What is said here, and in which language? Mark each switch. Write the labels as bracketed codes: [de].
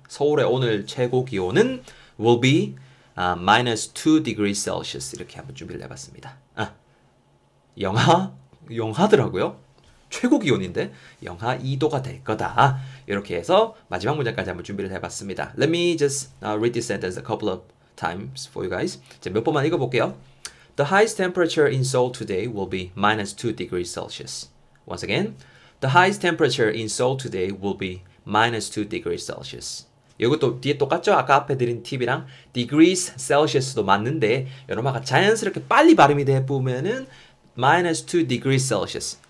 [ko] 서울의 오늘 최고 기온은 [en] will be minus 2 degrees Celsius. [ko] 이렇게 한번 준비를 해봤습니다. 아, 영하더라고요. 최고 기온인데 영하 2도가 될 거다. 이렇게 해서 마지막 문장까지 한번 준비를 해봤습니다. [en] Let me just read this sentence a couple of times for you guys. [ko] 이제 몇 번만 읽어볼게요. [en] The highest temperature in Seoul today will be minus 2 degrees Celsius. Once again, the highest temperature in Seoul today will be minus 2 degrees Celsius. [ko] 이것도 뒤에 똑같죠? 아까 앞에 드린 팁이랑 degrees Celsius도 맞는데 여러분과 자연스럽게 빨리 발음이 돼 보면은 [en] minus 2 degrees Celsius.